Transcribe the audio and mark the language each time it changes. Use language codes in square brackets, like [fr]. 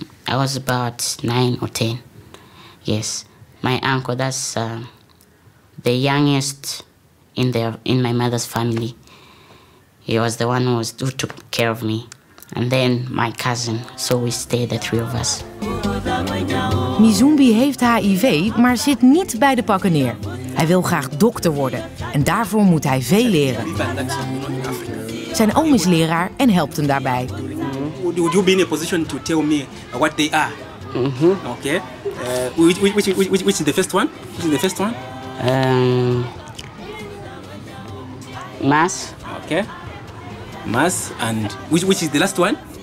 [en] I was about 9 or 10. Yes, my uncle, that's the youngest in my mother's family. He was the one who took care of me. And then my cousin, so we stayed, the three of us. [nl] Mizumbi heeft HIV, maar zit niet bij de pakken neer. Hij wil graag dokter worden en daarvoor moet hij veel leren. Zijn oom is leraar en helpt hem daarbij. [en] Would you be in a position to tell me what they are? Mm-hmm. Okay. Which is the first one? Which is the first one? Mars. Okay. Mars and which is the last one?